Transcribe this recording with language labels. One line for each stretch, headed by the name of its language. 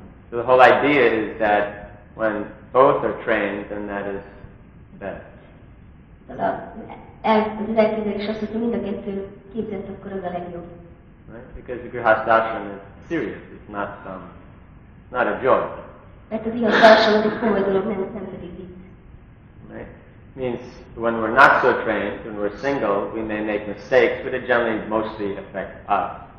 English: So the whole idea is that when both are trained, then that is best.
Hungarian: Az elképzelés is az, hogy mind a kettő képzett, akkor az a legjobb.
English: Right? Because the Grihastha ashram is serious, it's not some, not a joke. Right? Means when we're not so trained, when we're single, we may make mistakes, but it generally mostly affects us.